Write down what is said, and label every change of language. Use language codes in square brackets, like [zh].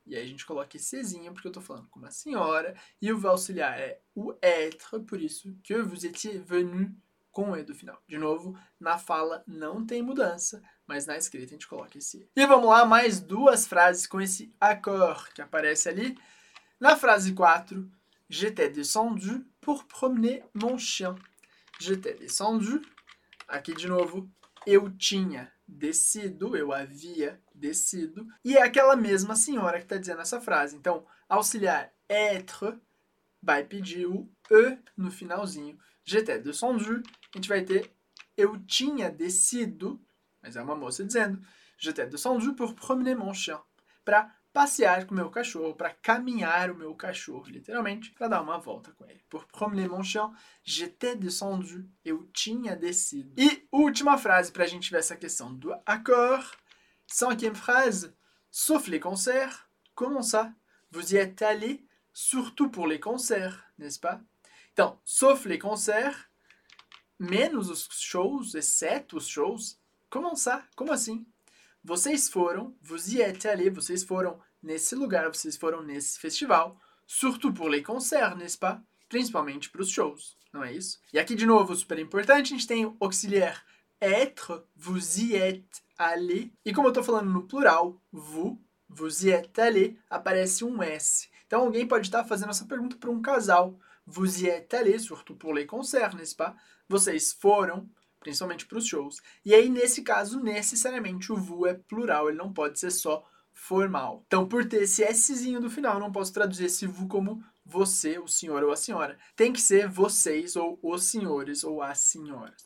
[pt] E aí a gente coloca esse Czinho, porque eu tô falando com uma senhora. E o auxiliar é o être, por isso, [fr] que vous étiez venu, [pt] com o E do final. De novo, na fala não tem mudança, mas na escrita a gente coloca esse E. E vamos lá, mais duas frases com esse accord que aparece ali. Na frase 4, [fr] j'étais descendu pour promener mon chien. J'étais descendu. [pt] Aqui de novo, eu tinha descido, eu havia descido. E é aquela mesma senhora que está dizendo essa frase. Então, auxiliar être vai pedir o E no finalzinho. [fr] J'étais descendu. [pt] A gente vai ter eu tinha descido, mas é uma moça dizendo. [fr] J'étais descendu pour promener mon chien. [pt] Para passear com o meu cachorro, para caminhar o meu cachorro, literalmente, para dar uma volta com ele. [fr] Pour promener mon chien, j'étais descendu, [pt] eu tinha descido. E última frase para a gente ver essa questão do accord. [fr] Cinquième phrase, sauf les concerts, comment ça? Vous y êtes allé surtout pour les concerts, n'est-ce pas? [pt] Então, [fr] sauf les concerts, [pt] menos os shows, exceto os shows, [fr] comment ça? [pt] Como assim? Vocês foram, [fr] vous y êtes allés, [pt] vocês foram nesse lugar, vocês foram nesse festival, [fr] surtout pour les concerts, n'est-ce pas? [pt] Principalmente para os shows, não é isso? E aqui de novo, super importante, a gente tem o auxiliar être, [fr] vous y êtes allés. [pt] E como eu estou falando no plural, vous, [fr] vous y êtes allés, [pt] aparece um S. Então alguém pode estar fazendo essa pergunta para um casal. [fr] Vous y êtes allés, surtout pour les concerts, n'est-ce pas? [pt] Vocês foram, principalmente para os shows. E aí, nesse caso, necessariamente o vous é plural, ele não pode ser só Foi mal. Então, por ter esse Szinho do final, eu não posso traduzir esse vu como você, o senhor ou a senhora. Tem que ser vocês ou os senhores ou as senhoras.